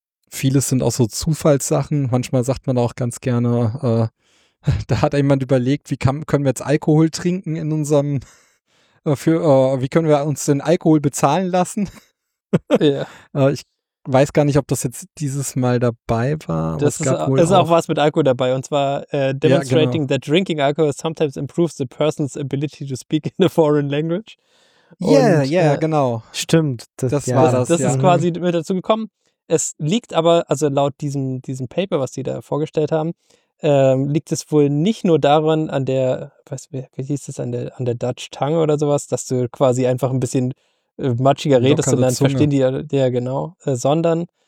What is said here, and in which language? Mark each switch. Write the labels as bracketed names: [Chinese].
[German] Vieles sind auch so Zufallssachen. Manchmal sagt man auch ganz gerne, da hat jemand überlegt, können wir jetzt Alkohol trinken in unserem, wie können wir uns den Alkohol bezahlen lassen? [English] Yeah. [German] Ich weiß gar nicht, ob das jetzt dieses Mal dabei war. Das es gab ist, wohl ist auch was mit Alkohol dabei. Und zwar demonstrating, ja, genau, [English] that drinking alcohol sometimes improves the person's ability to speak in a foreign language. [German] Yeah, genau. Stimmt. Ist quasi mit dazu gekommen. Es liegt aber, also laut diesem Paper, was die da vorgestellt haben, liegt es wohl nicht nur daran, an der Dutch Tongue oder sowas, dass du quasi einfach ein bisschen matschiger redest und dann verstehen die ja genau, sondern